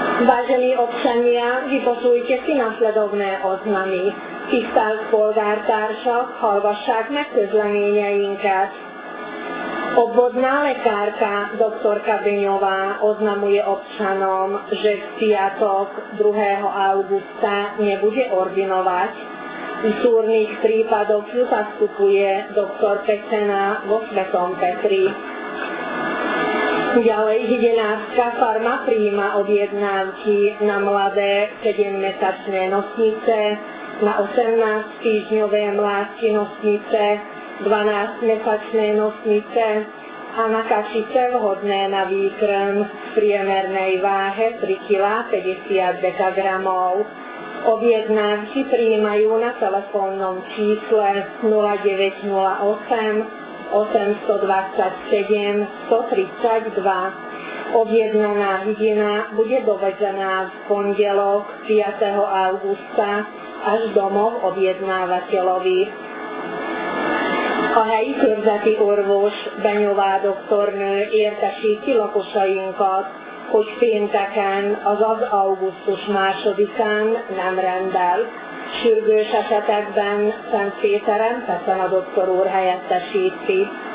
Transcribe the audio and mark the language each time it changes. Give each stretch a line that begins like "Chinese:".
Slovak: Vážení občania, vypočujte si nasledovné oznamy.
Hungarian: Tisztelt polgártársak, hallgassák meg közleményeinket.
Slovak: Obvodná lekárka dr. Kabiňová oznamuje občanom, že v piatok 2. augusta nebude ordinovať. V súrnych prípadoch ju zastupuje dr. Pecena vo Svetom Petri. Ďalej 11. farma prijíma objednávky na mladé 7-mesačné nosnice, na 18-týždňové mládky nosnice, 12-mesačné nosnice a na kašice vhodné na výkrm v priemernej váhe 3,50 kg. Objednávky prijímajú na telefónnom čísle 0908 827 132. Objednaná hygiena bude dovezená v pondelok 5. augusta až domov objednávateľovi.
Hungarian: A helyi körzeti orvos Benyová doktornő értesíti lakosainkat, hogy pénteken, azaz augusztus 2-án nem rendel. Sürgős esetekben Szent Péteren Pecena doktor úr helyettesíti.